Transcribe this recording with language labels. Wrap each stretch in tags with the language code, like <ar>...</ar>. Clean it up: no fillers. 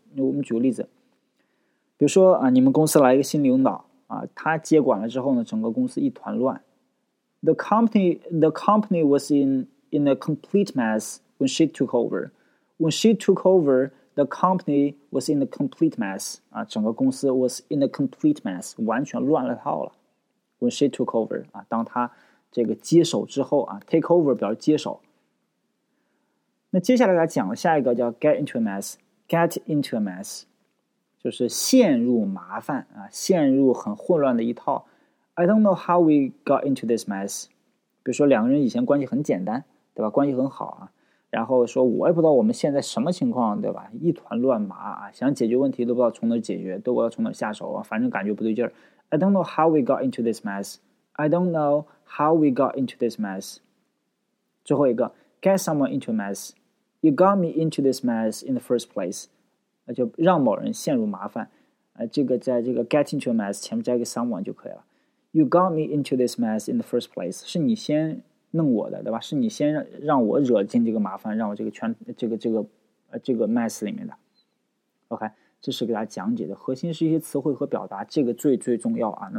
<zh>我们举个例子，比如说啊，你们公司来一个新领导啊，他接管了之后呢，整个公司一团乱。</zh> <en>The company was in a complete mess when she took over. When she took over. The company was in a complete mess. 啊，</en> <zh>整个公司</zh> <en>was in a complete mess.</en> <zh>完全乱了套了。</zh> <en>When she took over.</en> <zh>啊，当他这个接手之后啊 ，take over 表示接手。那接下来来讲下一个叫 get into a mess. Get into a mess， 就是陷入麻烦啊，陷入很混乱的一套。</zh> <en>I don't know how we got into this mess.</en> <zh>比如说两个人以前关系很简单，对吧？关系很好啊。然后说我也不知道我们现在什么情况，对吧？一团乱麻啊，想解决问题都不知道从哪解决，都不知道从哪下手啊，反正感觉不对劲儿。</zh> <en>I don't know how we got into this mess. I don't know how we got into this mess.</en> <zh>最后一个</zh> <en>get someone into a mess. You got me into this mess in the first place.</en> <zh>就让某人陷入麻烦。这个在这个 get into a mess 前面加一个 someone 就可以了。</zh> <en>You got me into this mess in the first place.</en> <zh>是你先弄我的，对吧？是你先让我惹进这个麻烦，让我这个圈这个 mess 里面的。 OK， 这是给大家讲解的核心是一些词汇和表达，这个最最重要啊。</zh>